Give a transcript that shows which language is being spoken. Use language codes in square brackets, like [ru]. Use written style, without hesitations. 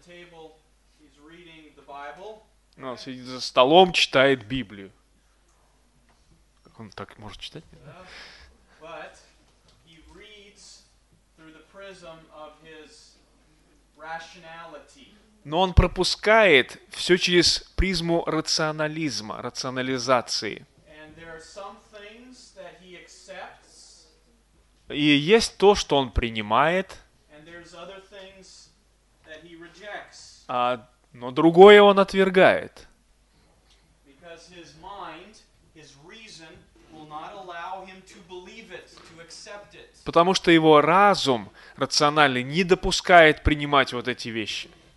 [ru] Он сидит за столом, читает Библию. Как он так может читать? [en] But he reads through the prism of his rationality. [ru] Но он пропускает все через призму рационализма, рационализации. [en] And there are some things that he accepts. [ru] И есть то, что он принимает. [en] And there's other things that he rejects. [ru] Но другое он отвергает. [en] Because his mind, his reason will not allow him to believe it, to accept it. [ru] Потому что его разум рациональный не допускает принимать вот эти вещи.